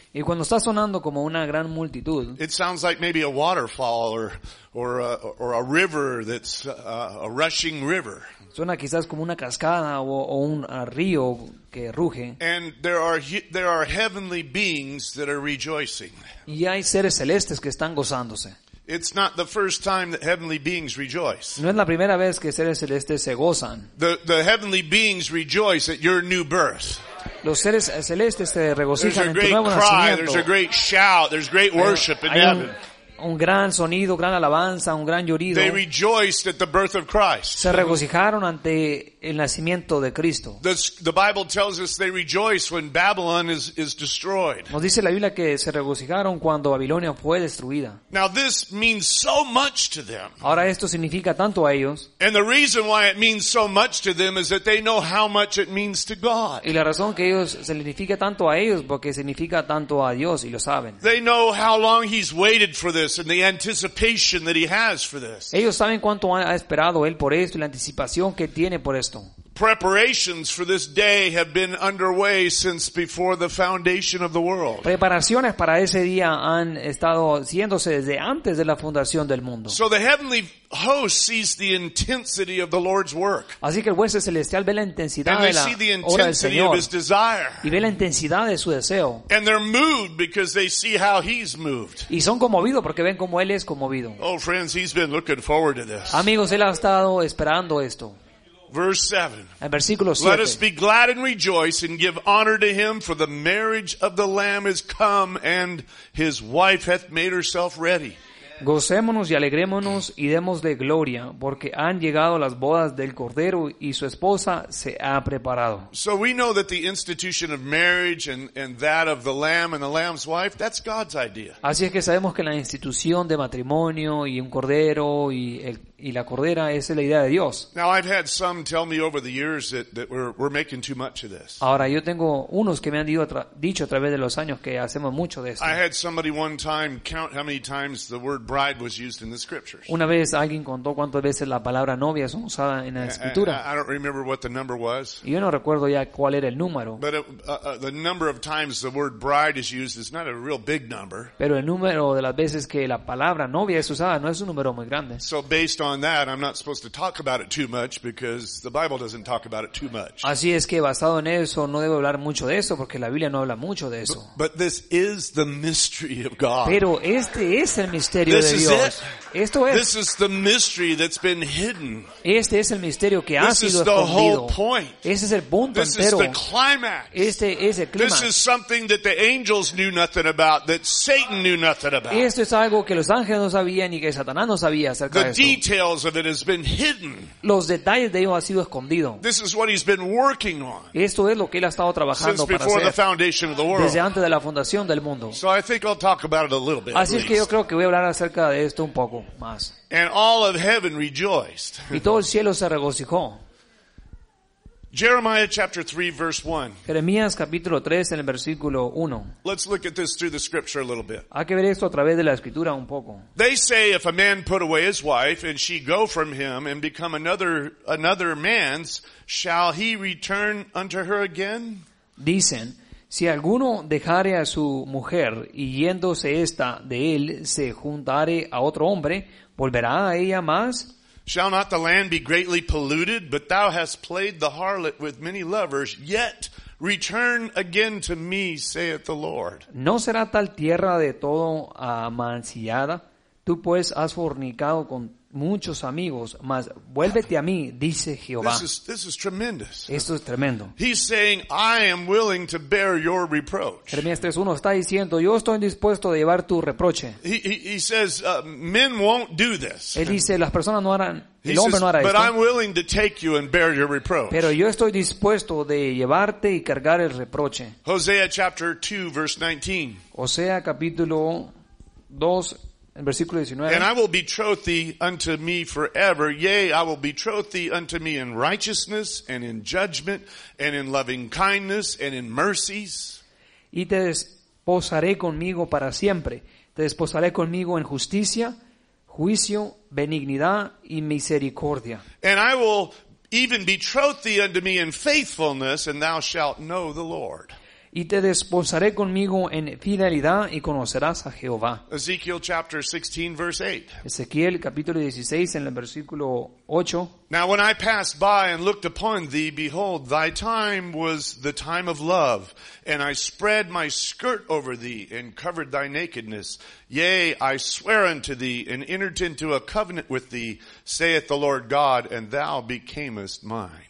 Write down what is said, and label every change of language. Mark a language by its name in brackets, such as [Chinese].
[Spanish] Y cuando está sonando como una gran multitud. [English] It sounds like maybe a waterfall or a river that's a rushing river. [Spanish] Suena quizás como una cascada o un río que ruge. [English] And there are heavenly beings that are rejoicing. [Spanish] Y hay seres celestes que están gozándose. [English] It's not the first time that heavenly beings rejoice. [Spanish] No es la primera vez que seres celestes se gozan. [English] The heavenly beings rejoice at your new birth. [Spanish] Los seres celestes se regocijan en tu nuevo nacimiento. [English] There's a great cry, there's a great shout, there's great worship in heaven. [Spanish] Un gran sonido, gran alabanza, un gran llorido. [English] They rejoiced at the birth of Christ. [Spanish] Se regocijaron ante el nacimiento de Cristo. [English] The Bible tells us they rejoice when Babylon is destroyed. [Spanish] Nos dice la Biblia que se regocijaron cuando Babilonia fue destruida. [English] Now this means so much to them. [Spanish] Ahora esto significa tanto a ellos. [English] And the reason why it means so much to them is that they know how much it means to God. [Spanish] Y la razón que ellos significa tanto a ellos porque significa tanto a Dios y lo saben. [English] They know how long he's waited for this and the anticipation that he has for this. [Spanish] Ellos saben cuánto ha esperado él por esto y la anticipación que tiene por esto. [English] Preparations for this day have been underway since before the foundation of the world. [Spanish] Preparaciones para ese día han estado haciéndose desde antes de la fundación del mundo. [English] So the heavenly host sees the intensity of the Lord's work. [Spanish] Así que el juez celestial ve la intensidad de la obra del Señor. [English] And they see the intensity of his desire. [Spanish] Y ve la intensidad de su deseo. [English] And they're moved because they see how he's moved. [Spanish] Y son conmovidos porque ven cómo él es conmovido. [English] Oh, friends, he's been looking forward to this. [Spanish] Amigos, él ha estado esperando esto. [English] Verse 7. Let us be glad and rejoice and give honor to him, for the marriage of the Lamb is come and his wife hath made herself ready. [Spanish] Gocémonos y alegrémonos y démosle gloria, porque han llegado las bodas del Cordero y su esposa se ha preparado. [English] So we know that the institution of marriage and that of the Lamb and the Lamb's wife, that's God's idea. [Spanish] Así es que sabemos que la institución de matrimonio y un cordero y la cordera, esa es la idea de Dios. [English] Now I've had some tell me over the years that we're making too much of this. [Spanish] Ahora yo tengo unos que me han dicho a través de los años que hacemos mucho de esto. [English] I had somebody one time count how many times the word bride was used in the scriptures. [Spanish] Una vez alguien contó cuántas veces la palabra novia es usada en la escritura. [English] I don't remember what the number was. [Spanish] Y yo no recuerdo ya cuál era el número. [English] But the number of times the word bride is used is not a real big number. [Spanish] Pero el número de las veces que la palabra novia es usada no es un número muy grande. [English] So based on that, I'm not supposed to talk about it too much because the Bible doesn't talk about it too much. [Spanish] Así es que basado en eso no debo hablar mucho de eso porque la Biblia no habla mucho de eso. [English] But this is the mystery of God. [Spanish] Pero este es el misterio. [English] This is it. [Spanish] Esto es. [English] This is the mystery that's been hidden. [Spanish] Este es el misterio que ha sido escondido. [English] This is the whole point. [Spanish] Ese es el punto entero. [English] This is the climax. [Spanish] Este es el clímax. [English] This is something that the angels knew nothing about, that Satan knew nothing about. [Spanish] Esto es algo que los ángeles no sabían y que Satanás no sabía acerca de esto. [English] The details of it has been hidden. [Spanish] Los detalles de ello ha sido escondido. [English] This is what he's been working on. [Spanish] Esto es lo que él ha estado trabajando [English] since before the foundation of the world. [Spanish] Desde antes de la fundación del mundo. [English] So I think I'll talk about it a little bit. [Spanish] Así es que yo creo que voy a hablar acerca de esto un poco más. [English] And all of heaven rejoiced. [Spanish] Y todo el cielo se regocijó. [English] Jeremiah chapter 3 verse 1. [Spanish] Jeremías capítulo 3 en el versículo 1. [English] Let's look at this through the scripture a little bit. [Spanish] Hay que ver esto a través de la escritura un poco. [English] They say if a man put away his wife and she go from him and become another man's, shall he return unto her again? [Spanish] Dicen, si alguno dejare a su mujer y yéndose esta de él se juntare a otro hombre, ¿volverá a ella más? [English] Shall not the land be greatly polluted, but thou hast played the harlot with many lovers, yet return again to me, saith the Lord. [Spanish] ¿No será tal tierra de todo amancillada? Tú pues has fornicado con muchos amigos, mas vuélvete a mí, dice Jehová. [English] This is tremendous. [Spanish] Esto es tremendo. [English] He's saying, I am willing to bear your reproach. [Spanish] Jeremías 3:1 está diciendo, yo estoy dispuesto a llevar tu reproche. [English] He says, men won't do this. [Spanish] Él dice, las personas no harán, el hombre no hará esto. [English] But I'm willing to take you and bear your reproach. [Spanish] Pero yo estoy dispuesto de llevarte y cargar el reproche. [English] Hosea chapter 2 verse 19. [Spanish] Hosea capítulo 2 en versículo 19. [English] And I will betroth thee unto me forever, yea, I will betroth thee unto me in righteousness and in judgment and in loving kindness and in mercies. [Spanish] Y te desposaré conmigo para siempre. Te desposaré conmigo en justicia, juicio, benignidad y misericordia. [English] And I will even betroth thee unto me in faithfulness, and thou shalt know the Lord. [Spanish] Y te desposaré conmigo en fidelidad y conocerás a Jehová. [English] Ezekiel chapter 16 verse 8. [Spanish] Ezequiel capítulo 16 en el versículo 8. [English] Now when I passed by and looked upon thee, behold, thy time was the time of love, and I spread my skirt over thee and covered thy nakedness. Yea, I swear unto thee and entered into a covenant with thee, saith the Lord God, and thou becamest mine.